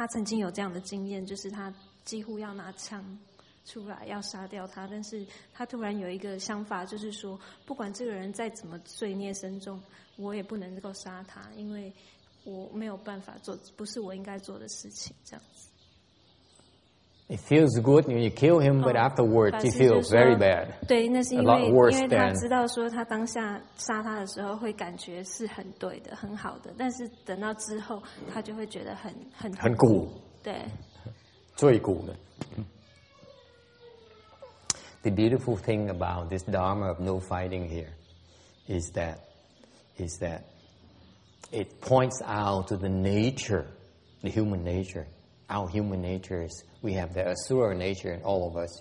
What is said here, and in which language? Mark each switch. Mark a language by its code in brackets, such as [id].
[zh] 他说，他问的问题就是说，如果你遇到就是你觉得世界上最邪恶的人，就是他就是做尽所有的坏事，你知道说你是对的，那你会怎么办？那他是说他会逃走，那他是说，他曾经有这样的经验，就是他几乎要拿枪。出来要杀掉他，但是他突然有一个想法，就是说，不管这个人再怎么罪孽深重，我也不能够杀他，因为我没有办法做，不是我应该做的事情。这样子。 [en] It feels good when you kill him, but afterwards you feel very bad. [zh] 对，那是因为他知道说他当下杀他的时候会感觉是很对的，很好的，但是等到之后他就会觉得很苦，对，最苦的。 [en] The beautiful thing about this Dharma of no fighting here is that it points out to the nature, the human nature. Our human nature is, we have the Asura nature in all of us.